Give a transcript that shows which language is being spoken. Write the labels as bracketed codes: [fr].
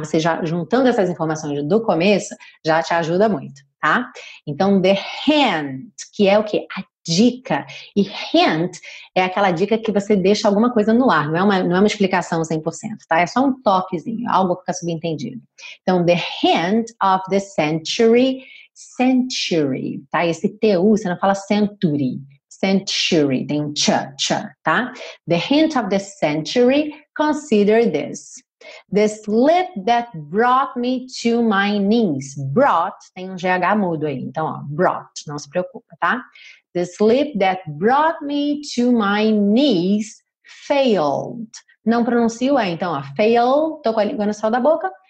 [pt] Você já juntando essas informações do começo, já te ajuda muito, tá? Então, the hint, que é o quê? A dica. E hint é aquela dica que você deixa alguma coisa no ar. Não é uma explicação 100%, tá? É só um toquezinho, algo que fica subentendido. [en] Então, the hint of the century. Century, tá? [pt] Esse T-U, você não fala century. Century, tem um ch, tá? [en] The hint of the century, consider this. The slip that brought me to my knees. [pt] Brought, tem um GH mudo aí. Então, ó, brought, não se preocupa, tá? [en] The slip that brought me to my knees failed. [pt] Não pronuncio é, então, ó, fail. Tô com a língua no céu da boca.